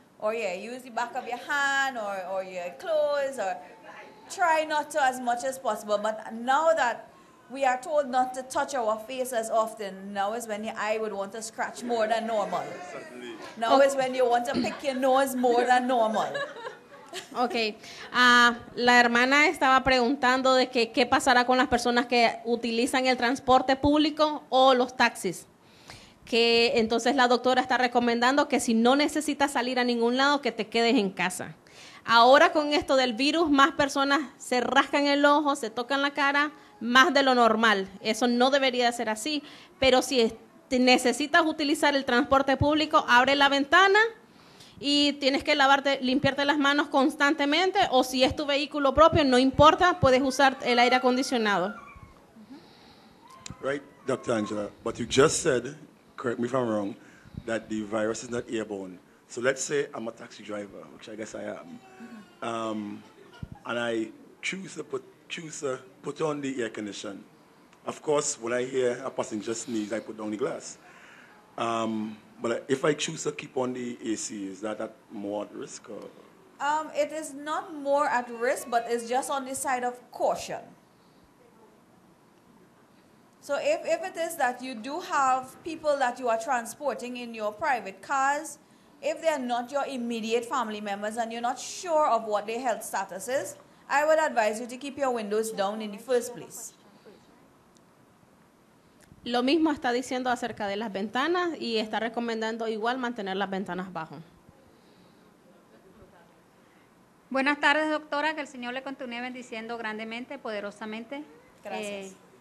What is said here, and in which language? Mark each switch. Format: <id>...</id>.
<en>Or yeah, use the back of your hand or your clothes, or try not to as much as possible. But now that we are told not to touch our face as often, now is when your eye would want to scratch more than normal. Now is when you want to pick your nose more than normal. Okay.</en> <es>La hermana estaba preguntando de que qué pasará con las personas que utilizan el transporte público o los taxis. Que entonces la doctora está recomendando que si no necesitas salir a ningún lado, que te quedes en casa. Ahora con esto del virus, más personas se rascan el ojo, se tocan la cara, más de lo normal. Eso no debería ser así. Pero si necesitas utilizar el transporte público, abre la ventana y tienes que limpiarte las manos constantemente. O si es tu vehículo propio, no importa, puedes usar el aire acondicionado.</es> <en>Right, Dr. Angela, but you just said, correct me if I'm wrong, that the virus is not airborne. So let's say I'm a taxi driver, which I guess I am, and I choose to put on the air condition. Of course, when I hear a passenger sneeze, I put down the glass. But if I choose to keep on the AC, is that at more at risk? Or? It is not more at risk, but it's just on the side of caution. So if it is that you do have people that you are transporting in your private cars, if they are not your immediate family members and you're not sure of what their health status is, I would advise you to keep your windows down in the first place.</en> <es>Lo mismo está diciendo acerca de las ventanas y está recomendando igual mantener las ventanas bajo. Buenas tardes, doctora. Que el Señor le continúe bendiciendo grandemente, poderosamente. Gracias.</es>